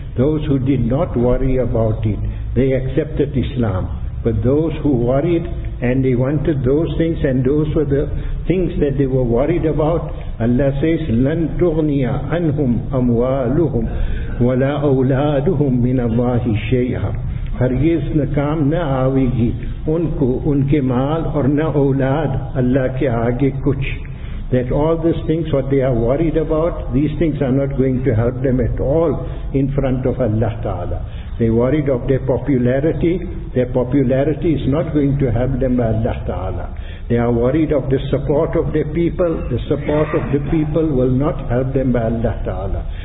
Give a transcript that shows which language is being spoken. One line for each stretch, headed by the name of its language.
English: Those who did not worry about it, they accepted Islam. But those who worried and they wanted those things, and those were the things that they were worried about, Allah says,
Arabic: لَن تُغْنِيَ عَنْهُمْ أَمْوَالُهُمْ وَلَا أَوْلَادُهُمْ مِنَ اللَّهِ شَيْئًا.
Urdu: ہرگز کام نہ آوے گی ان کو ان کے مال اور نہ اولاد اللہ کے آگے کچھ.
English: That all these things, what they are worried about, these things are not going to help them at all in front of Allah Ta'ala. They worried of their popularity is not going to help them by Allah Ta'ala. They are worried of the support of their people, the support of the people will not help them by Allah Ta'ala.